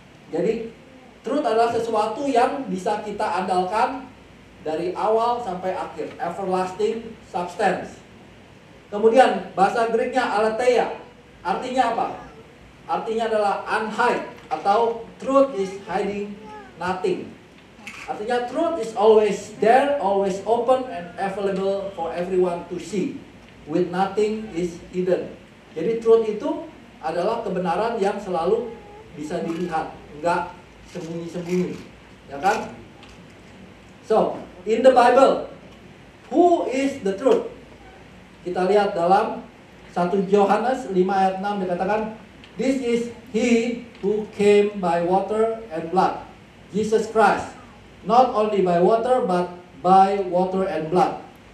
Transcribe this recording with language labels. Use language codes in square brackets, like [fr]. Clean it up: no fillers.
[id] Jadi truth adalah sesuatu yang bisa kita andalkan dari awal sampai akhir, [en] everlasting substance. [id] Kemudian bahasa Greeknya aletheia, artinya apa? Artinya adalah [en] unhide [id] atau [en] truth is hiding nothing. [id] Artinya [en] truth is always there, always open and available for everyone to see. With nothing is hidden. [id] Jadi truth itu adalah kebenaran yang selalu bisa dilihat, enggak sembunyi-sembunyi, ya kan? [en] So, in the Bible, who is the truth? [id] Kita lihat dalam 1 Yohanes 5 ayat 6 dikatakan, [en] this is he who came by water and blood, Jesus Christ. Not only by water, but by water and blood.